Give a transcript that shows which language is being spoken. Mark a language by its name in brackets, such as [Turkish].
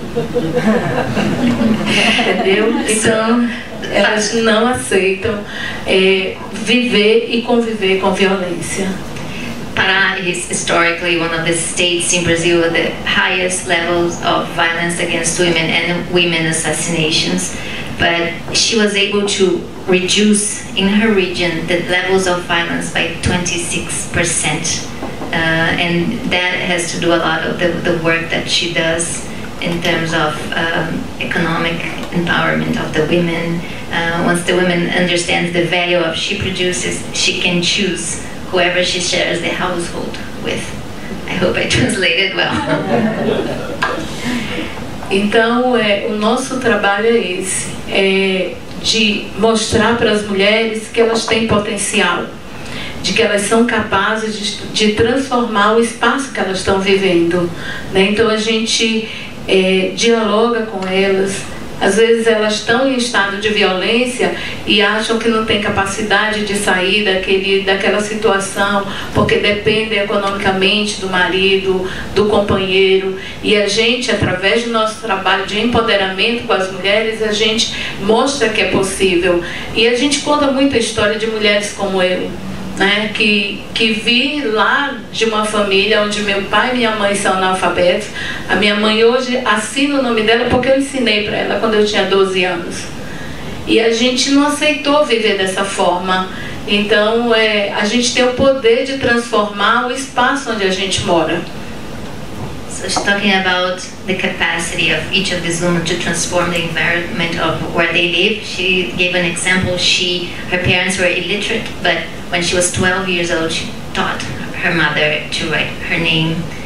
[Portuguese] Entendeu? Então, elas não aceitam viver e conviver com violência. [English] Pará is historically one of the states in Brazil with the highest levels of violence against women and women assassinations. But she was able to reduce in her region the levels of violence by 26%. And that has to do a lot of the work that she does in terms of economic empowerment of the women. Once the women understand the value of she produces, she can choose whoever she shares the household with. I hope I translated well. [Portuguese] Então, o nosso trabalho é esse, de mostrar para as mulheres que elas têm potencial, de que elas são capazes de transformar o espaço que elas estão vivendo. Né? Então, a gente dialoga com elas. Às vezes, elas estão em estado de violência e acham que não têm capacidade de sair daquela situação, porque dependem economicamente do marido, do companheiro. E a gente, através do nosso trabalho de empoderamento com as mulheres, a gente mostra que é possível. E a gente conta muita história de mulheres como eu, né? Que vi lá de uma família onde meu pai e minha mãe são analfabetos. A minha mãe hoje assina o nome dela porque eu ensinei para ela quando eu tinha 12 anos. E a gente não aceitou viver dessa forma. Então, a gente tem o poder de transformar o espaço onde a gente mora. [English] So she's talking about the capacity of each of these women to transform the environment of where they live. She gave an example. Her parents were illiterate, but when she was 12 years old, she taught her mother to write her name.